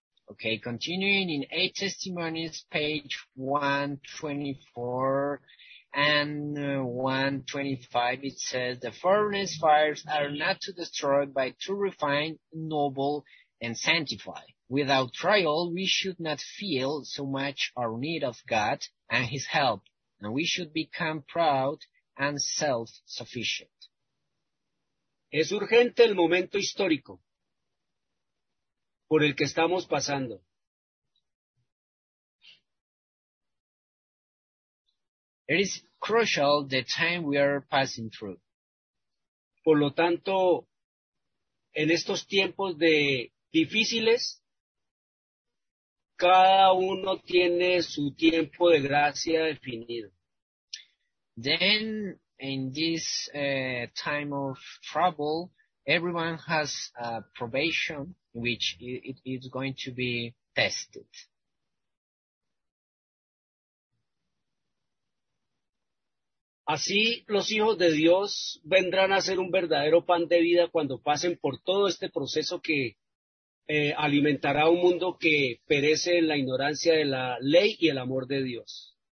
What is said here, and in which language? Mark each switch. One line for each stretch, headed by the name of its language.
English: Okay, continuing in 8 Testimonies, page 124, and 125, it says, the furnace fires are not to destroy, but to refine, noble, and sanctify. Without trial, we should not feel so much our need of God and his help, and we should become proud and self-sufficient.
Spanish: Es urgente el momento histórico por el que estamos pasando.
English: It is crucial the time we are passing through.
Spanish: Por lo tanto, en estos tiempos de difíciles, cada uno tiene su tiempo de gracia definido.
English: Then, in this time of trouble, everyone has a probation which it is going to be tested.
Spanish: Así los hijos de Dios vendrán a ser un verdadero pan de vida cuando pasen por todo este proceso que alimentará un mundo que perece en la ignorancia de la ley y el amor de Dios.